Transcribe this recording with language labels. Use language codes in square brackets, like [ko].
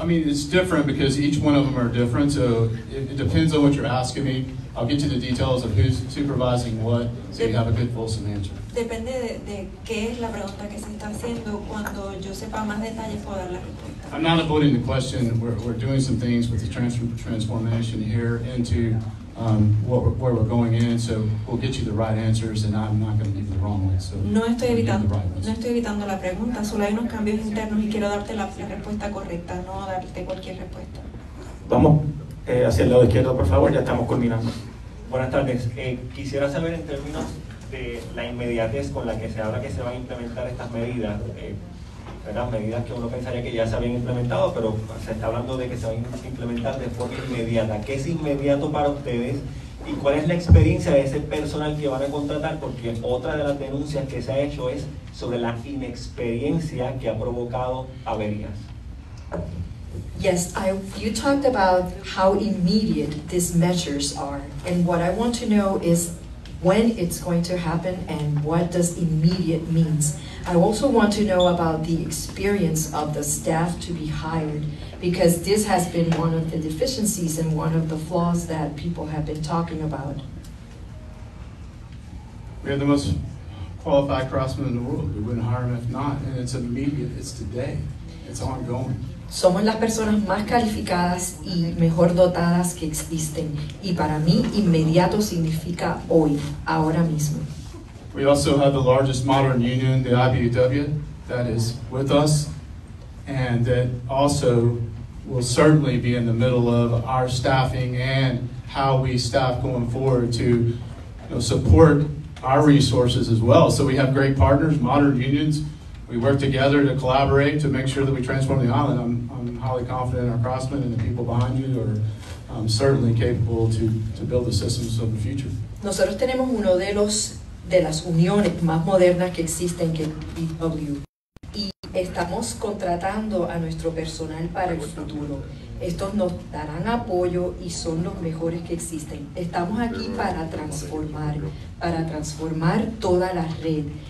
[en] I mean, it's different because each one of them are different, so it depends on what you're asking me. I'll get you the details of who's supervising what, so you have a good fulsome answer. [es] Depende de qué es la pregunta que se está haciendo. Cuando yo sepa más detalles, puedo dar la respuesta. [en] I'm not avoiding the question. We're doing some things with the transformation here into where we're going in, so we'll get you the right answers, and I'm not going to give you the wrong ones. So [es] no estoy evitando. No estoy evitando la pregunta. Solo hay unos cambios internos y quiero darte la respuesta correcta, no darte cualquier respuesta. Vamos hacia el lado izquierdo, por favor. Ya estamos culminando. Buenas tardes. Quisiera saber en términos de la inmediatez con la que se habla que se van a implementar estas medidas. Las medidas que uno pensaría que ya se habían implementado, pero se está hablando de que se van a implementar de forma inmediata. ¿Qué es inmediato para ustedes y cuál es la experiencia de ese personal que van a contratar? Porque otra de las denuncias que se ha hecho es sobre la inexperiencia que ha provocado averías. [en] Yes, you talked about how immediate these measures are, and what I want to know is when it's going to happen and what does immediate means. I also want to know about the experience of the staff to be hired, because this has been one of the deficiencies and one of the flaws that people have been talking about. We have the most qualified craftsmen in the world. We wouldn't hire them if not, and it's immediate, it's today, it's ongoing. [es] Somos las personas más calificadas y mejor dotadas que existen, y para mí inmediato significa hoy, ahora mismo. [en] We also have the largest modern union, the IBEW, that is with us, and that also will certainly be in the middle of our staffing and how we staff going forward to, you know, support our resources as well. So we have great partners, modern unions. We work together to collaborate to make sure that we transform the island. I'm highly confident in our craftsmen and the people behind you are certainly capable to build the systems of the future. [es] Nosotros tenemos uno de los de las uniones más modernas que existen, que es IBEW. Y estamos contratando a nuestro personal para el futuro. Estos nos darán apoyo y son los mejores que existen. Estamos aquí para transformar toda la red.